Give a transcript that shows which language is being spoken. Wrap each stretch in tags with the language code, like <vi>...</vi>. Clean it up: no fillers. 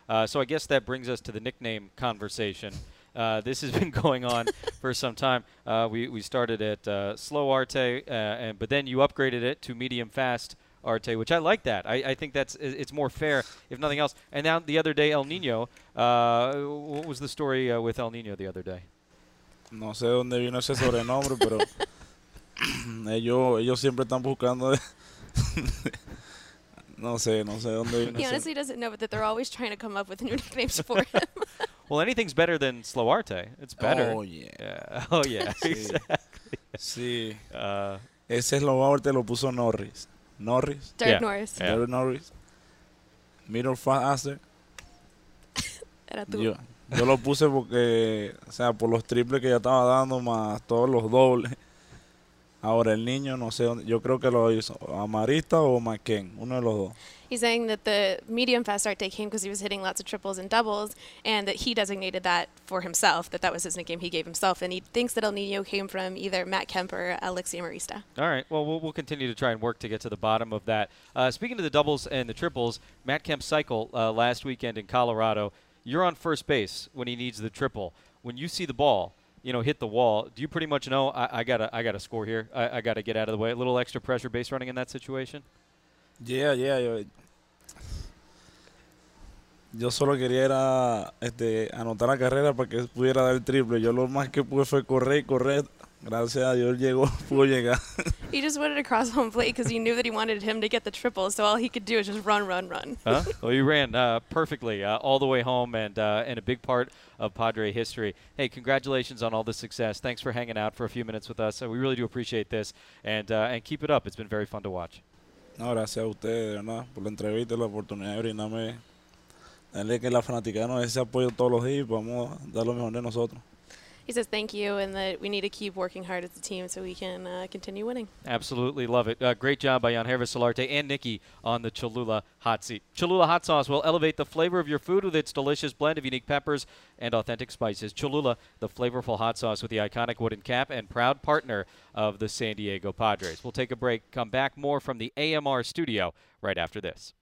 <en>So I guess that brings us to the nickname conversation. This has been going on for some time. We started at Slow Arte, but then you upgraded it to Medium Fast Arte, which I like that. I think it's more fair, if nothing else. And now the other day, El Nino. What was the story with El Nino the other day?</en> <es>No sé dónde vino ese sobrenombre, pero ellos siempre están buscando de... No sé dónde</es> <en>he honestly doesn't know, but that they're always trying to come up with new nicknames for him. Well, anything's better than Slow Arte. It's better. Oh, yeah. Oh, yeah.</en> <es>Sí.</es> <en>Exactly.</en> <es>Sí. Ese Slow Arte lo puso Norris. Norris?</es> <en>Derek yeah. Norris. Yeah. Derek Norris. Middle Fast Aster.</en> <es>Era tú. Yo lo puse porque, o sea, por los triples que ya estaba dando, más todos los dobles. Ahora el niño, no sé, yo creo que lo hizo Amarista o McKen, uno de los dos.</es> <en>He's saying that the medium fast arte came because he was hitting lots of triples and doubles, and that he designated that for himself, that was his nickname he gave himself, and he thinks that El Nino came from either Matt Kemp or Alexi Amarista. All right, well, we'll continue to try and work to get to the bottom of that. Speaking of the doubles and the triples, Matt Kemp's cycle last weekend in Colorado, you're on first base when he needs the triple. When you see the ball, you know, hit the wall, do you pretty much know, I gotta score here. I gotta get out of the way. A little extra pressure base running in that situation? Yeah.</en> <es>Yo solo quería era anotar la carrera para que pudiera dar el triple. Yo lo más que pude fue correr. Gracias a Dios llegó, pudo llegar.</es> <en>He just wanted to cross home plate because he knew that he wanted him to get the triple, so all he could do is just run. Huh? Well, you ran perfectly all the way home and a big part of Padre history. Hey, congratulations on all the success. Thanks for hanging out for a few minutes with us. We really do appreciate this, and keep it up. It's been very fun to watch.</en> <es>No, gracias a ustedes, ¿verdad? Por la entrevista y la oportunidad de brindarme. Dale que la fanaticada nos dé ese apoyo todos los días y vamos a dar lo mejor de nosotros.</es> <en>He says thank you and that we need to keep working hard as a team so we can continue winning. Absolutely love it. Great job by Yanhervis Solarte and Nikki on the Cholula Hot Seat. Cholula Hot Sauce will elevate the flavor of your food with its delicious blend of unique peppers and authentic spices. Cholula, the flavorful hot sauce with the iconic wooden cap and proud partner of the San Diego Padres. We'll take a break. Come back more from the AMR studio right after this.</en>